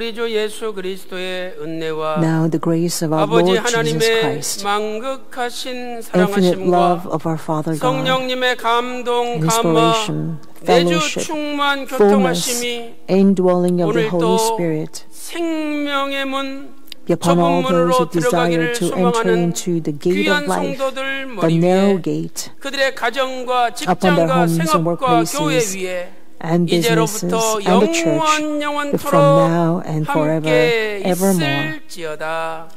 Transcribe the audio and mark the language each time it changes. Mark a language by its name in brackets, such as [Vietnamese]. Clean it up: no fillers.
[Korean] 예수 그리스도의 은혜와 [English] Now the grace of our Lord Jesus Christ, [Korean] 만극하신 사랑하심과 성령님의 감동, 감화, 내주 충만 교통하심이 [English] indwelling of the Holy Spirit, [Korean] 생명의 문 [English] upon all those who desire to enter into the gate of life, the narrow gate, [Korean] 그들의 가정과 직장과 생업과 workplaces. 이제로부터 영원토록 함께 있을지어다.